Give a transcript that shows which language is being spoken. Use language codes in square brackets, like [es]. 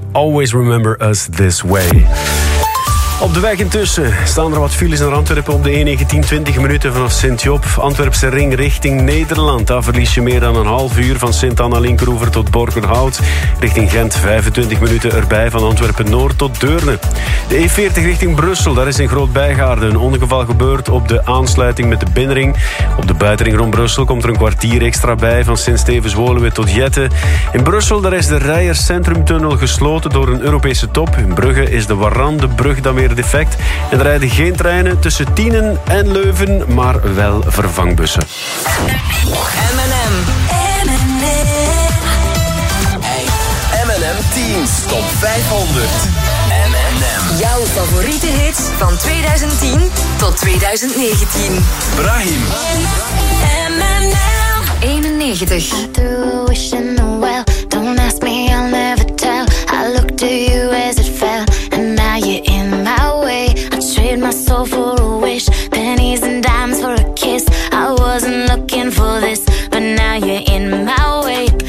[en] Always remember us this way. [nl] Op de weg intussen staan er wat files naar Antwerpen op de E19, 20 minuten vanaf Sint-Joop. Antwerpse ring richting Nederland. Daar verlies je meer dan een half uur van Sint-Anna-Linkeroever tot Borgerhout. Richting Gent 25 minuten erbij van Antwerpen-Noord tot Deurne. De E40 richting Brussel, daar is in Groot-Bijgaarden een ongeval gebeurd op de aansluiting met de binnenring. Op de buitenring rond Brussel komt er een kwartier extra bij van Sint-Stevens-Woluwe tot Jette. In Brussel daar is de Rijerscentrumtunnel gesloten door een Europese top. In Brugge is de Warandebrug dan weer defect. En er rijden geen treinen tussen Tienen en Leuven, maar wel vervangbussen. M&M. M&M Teens, top 500. Jouw favoriete hits van 2010 tot 2019. Brahim. M&M. 91. [en] Through wishing the well, don't ask me, I'll never tell. I look to you as it fell, and now you're in my way. I trade my soul for a wish, pennies and dimes for a kiss. I wasn't looking for this, but now you're in my way.